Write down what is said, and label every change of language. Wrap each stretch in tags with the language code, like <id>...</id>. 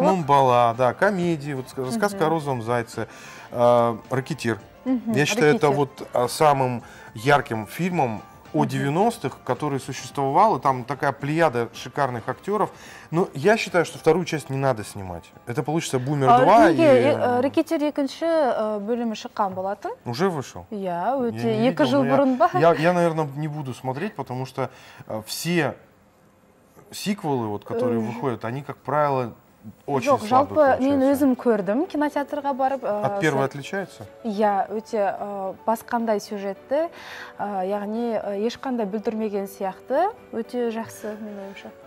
<ru>мыңбала», да, комедии, вот «Сказка о розовом зайце», «Рэкетир». Я считаю, это вот самым ярким фильмом о 90-х, который существовал, и там такая плеяда шикарных актеров. Но я считаю, что вторую часть не надо снимать. Это получится «Бумер 2» и...</ru> <kk>«Рэкетир» екінші бөлімі шыққан болатын.</kk> <ru>Уже вышел?</ru> <kk>Я, өте, екі жыл бұрын ба?</kk> <ru>Я, наверное, не буду смотреть, потому что все сиквелы, вот, которые выходят, они, как правило, очень</ru> <kk>жоқ, жалпы мен өзім көрдім кинотеатрға барып.</kk> <ru>От первой отличается?</ru> <kk>Я өте басқандай сюжетті, яғни ешқандай бүлдірмеген сияқты, өте жақсы мен ойымша.</kk>